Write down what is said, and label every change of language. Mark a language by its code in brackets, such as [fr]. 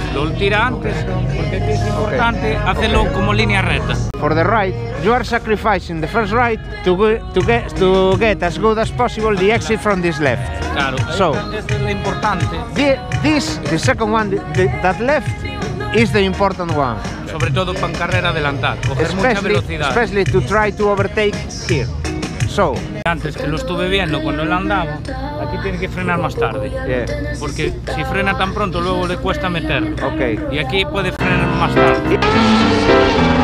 [es] Lo tira antes, porque es importante hacerlo como línea recta. [en] For the ride, you are sacrificing the first ride to get as good as possible the exit from this left. [es] Claro, [en] so, [es] es lo importante. [en] The second one, that left, is the important one. [es] Sobre todo para carrera adelantar, coger especially, mucha velocidad. [en] Especially to try to overtake here. So, [es] antes que lo estuve viendo cuando él andaba, aquí tiene que frenar más tarde. [en] Yeah. [es] Porque si frena tan pronto, luego le cuesta meter. [en] Okay. [es] Y aquí puede frenar más tarde.